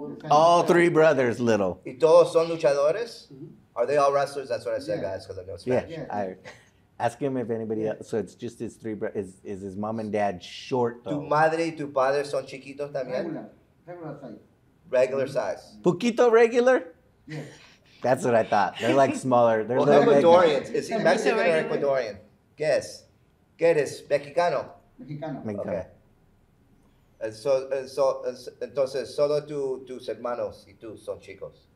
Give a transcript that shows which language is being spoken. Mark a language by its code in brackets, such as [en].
[en] All three brothers, little. [es] ¿Y todos son luchadores? [en] Mm-hmm. Are they all wrestlers? That's what I said, yeah. Guys, because I know Spanish. Yeah. Yeah. Ask him if anybody else. So it's just his three brothers. Is his mom and dad short, though? [es] ¿Tu madre y tu padre son chiquitos también? [en] Regular size. Regular size. [es] ¿Poquito regular? [en] Yes. Yeah. That's what I thought. They're like smaller. They're well, they're Ecuadorians. Is he Mexican or Ecuadorian? [es] Guess. ¿Qué eres? ¿Mexicano? Mexicano. [en] Okay. [es] So, entonces, solo tus hermanos y tú son chicos.